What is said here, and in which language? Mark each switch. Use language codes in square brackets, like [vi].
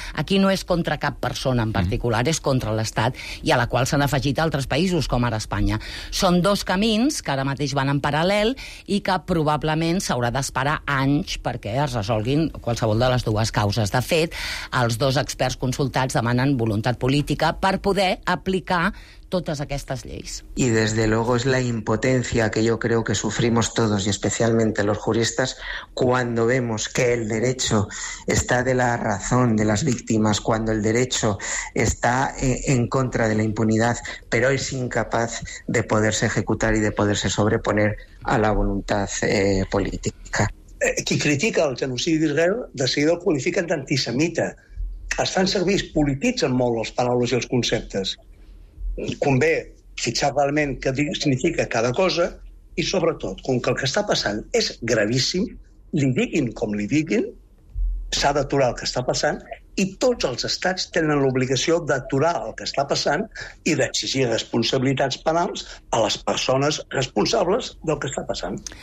[ca] Aquí no és contra cap persona en particular, és contra l'Estat, i a la qual s'han afegit altres països, com ara Espanya. Són dos camins que ara mateix van en paral·lel i que probablement s'haurà d'esperar anys perquè es resolguin qualsevol de les dues causes. De fet, els dos experts consultats demanen voluntat política per poder aplicar totes aquestes lleis. [es] Y desde luego es la impotencia que yo creo que sufrimos todos y especialmente los juristas cuando vemos que el derecho está de la razón de las víctimas, cuando el derecho está en contra de la impunidad, pero es incapaz de poderse ejecutar y de poderse sobreponer a la voluntad política. [ca] Qui critica el genocidi d'Israel de seguida el qualifiquen d'antisemita. Es fan servir, es polititzen molt les paraules i els conceptes. Convé fixar realment què significa cada cosa i, sobretot, com que el que està passant és gravíssim, li diguin com li diguin, s'ha d'aturar el que està passant i tots els estats tenen l'obligació d'aturar el que està passant i d'exigir responsabilitats penals a les persones responsables del que està passant.